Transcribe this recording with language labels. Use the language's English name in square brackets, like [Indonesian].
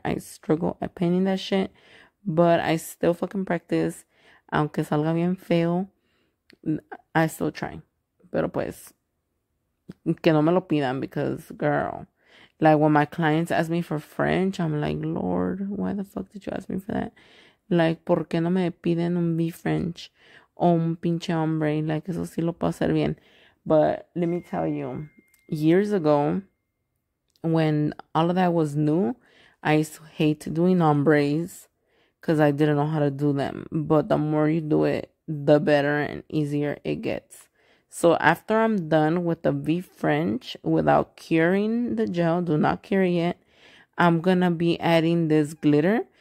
[English] I struggle at painting that shit, but I still fucking practice. [Spanish] Aunque salga bien feo, [English] I still try. [Spanish] Pero pues, que no me lo pidan, [English] because girl, like, when my clients ask me for French, I'm like, Lord, why the fuck did you ask me for that? [Spanish] Like, ¿por qué no me piden un B French? O un pinche hombre, like, eso sí lo puedo hacer bien. [English] But let me tell you, years ago, when all of that was new, I used to hate doing hombres because I didn't know how to do them. But the more you do it, the better and easier it gets. So after I'm done with the V French without curing the gel, do not cure it yet, I'm gonna be adding this glitter.